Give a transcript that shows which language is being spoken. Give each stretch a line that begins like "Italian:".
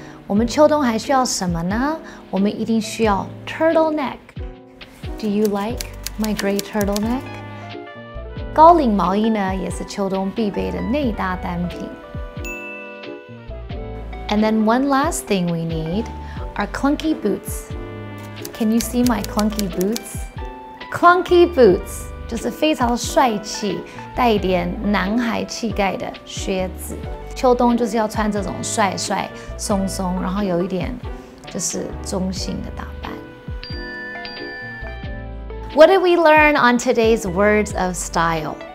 Chinese: 我们秋冬还需要什么呢？我们一定需要
English: turtleneck. Do you like my gray turtleneck?
Chinese: 高领毛衣呢，也是秋冬必备的内搭单品。
English: And then one last thing we need are clunky boots. Can you see my clunky boots?
Chinese: Clunky boots 就是非常帅气，带一点男孩气概的靴子。秋冬就是要穿这种帅帅、松松，然后有一点就是中性的打扮。
English: What did we learn on today's words of style?